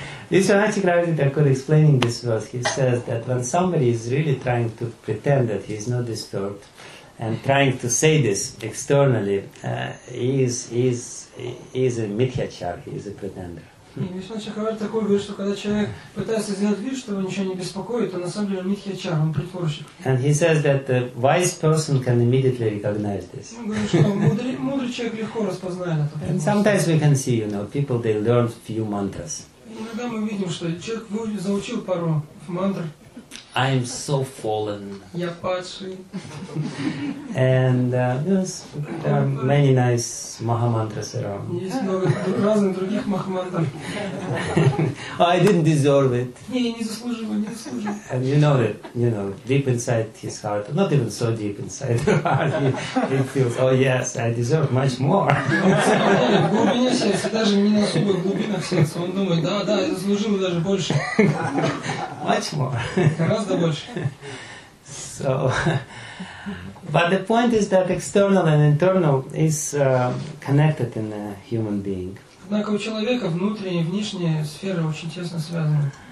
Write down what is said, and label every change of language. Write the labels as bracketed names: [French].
[English] Viswanathji Kravati Thakur explaining this verse, he says that when somebody is really trying to pretend that he is not disturbed and trying to say this externally, he is a mithyachar, he is a pretender. [Russian] Viswanathji Kravati Thakur говорит, что когда человек пытается сделать вид, что его ничего не беспокоит, он на самом деле мithyachar, он притворщик. [English] And he says that a wise person can immediately recognize this. [Russian] Мудрый человек легко распознает это. [English] And sometimes we can see, you know, people, they learn few mantras. [Russian] Иногда мы видим, что человек заучил пару мантр. [English] I'm so fallen. [Russian] Я падший. [English] And there are many nice maha-mantras around. [Russian] Есть много разных других маха-мантр. [English] I didn't deserve it. [Russian] Не заслуживаю. [English] And you know that, you know, deep inside his heart, not even so deep inside her heart, he feels, oh yes, I deserve much more. [Russian] В глубине сердца, даже не на особых глубинах сердца, он думает, да, я заслужил даже больше. [English] Much more. [Russian] Гораздо больше. [English] So, but the point is that external and internal is connected in a human being. [Russian] Однако у человека внутренние и внешние сферы очень тесно связаны.